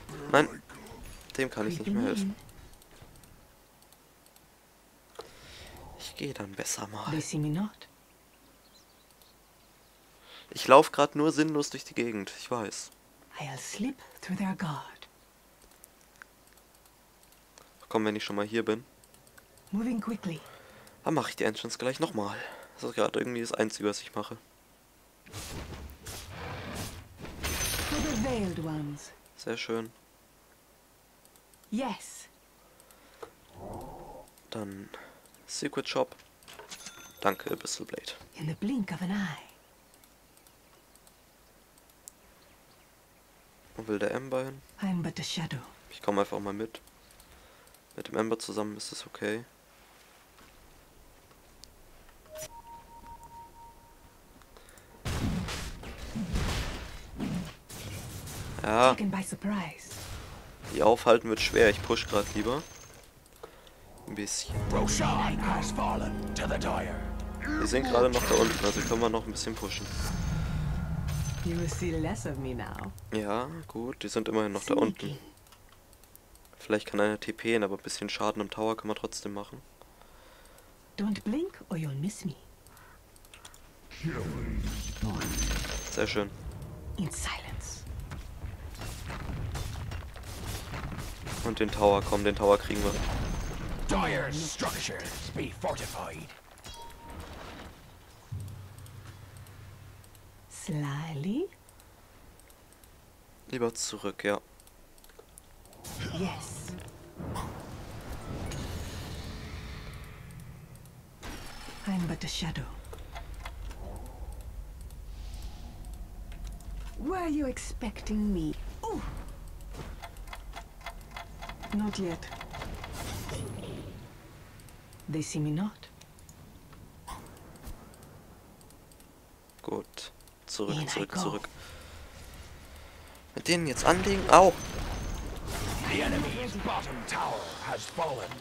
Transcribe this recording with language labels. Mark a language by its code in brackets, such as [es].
[de] Nein, dem kann ich nicht mehr helfen. Ich gehe dann besser mal. Ich laufe gerade nur sinnlos durch die Gegend, ich weiß. [en] I'll slip through their guard. [de] Komm, wenn ich schon mal hier bin. [en] Moving quickly. [de] Dann mache ich die Entrance gleich nochmal. Das ist gerade irgendwie das Einzige, was ich mache. [en] For the veiled ones. [de] Sehr schön. [en] Yes. [de] Dann Secret Shop. Danke, Abyssal Blade. [en] In the blink of an eye. [de] Wo will der Ember hin? [en] I'm but a shadow. [de] Ich komme einfach mal mit. Mit dem Ember zusammen ist es okay. Ja. [en] Taken by surprise. [de] Die aufhalten wird schwer, ich push gerade lieber. Ein bisschen. [en] Roshan has fallen to the dire. [de] Wir sind gerade noch da unten, also können wir noch ein bisschen pushen. [en] You will see less of me now. [de] Ja, gut, die sind immerhin noch da unten. Vielleicht kann einer TPen, aber ein bisschen Schaden am Tower kann man trotzdem machen. [en] Don't blink or you'll miss me. [de] Sehr schön. [en] In silence. [de] Und den Tower, komm, den Tower kriegen wir. [en] Dire structures be fortified. Slyly? [de] Lieber zurück, ja. [en] Yes. I'm but a shadow. Were you expecting me? Ooh. Not yet. They see me not. [de] Gut. Zurück, here zurück, zurück. Mit denen jetzt anlegen. Au! [en] The enemy's bottom tower has fallen.